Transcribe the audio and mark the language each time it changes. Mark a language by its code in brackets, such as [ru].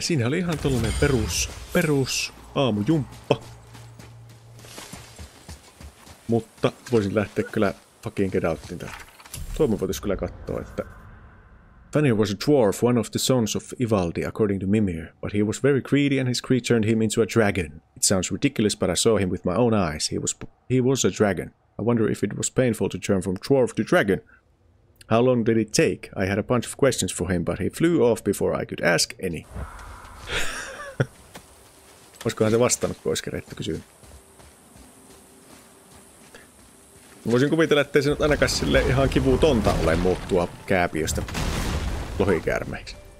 [fi] Siinä oli ihan tollanen perus aamujumppa. Mutta voisin lähteä kyllä [en] fucking get outin [fi] täältä. Tuo me voitais kyllä katsoa, että... [en] Fenrir was a dwarf, one of the sons of Ivaldi, according to Mimir, but he was very greedy and his greed turned him into a dragon. It sounds ridiculous, but I saw him with my own eyes. He was a dragon. I wonder if it was painful to turn from dwarf to dragon. How long did it take? I had a bunch of questions for him, but he flew off before I could ask any. [fi] Olisikohan se vastannut, kun olisi kerätty kysyyn? Voisin kuvitella, ettei se nyt ainakaan sille ihan kivutonta ole muuttua kääpiöstä lohikäärmeiksi.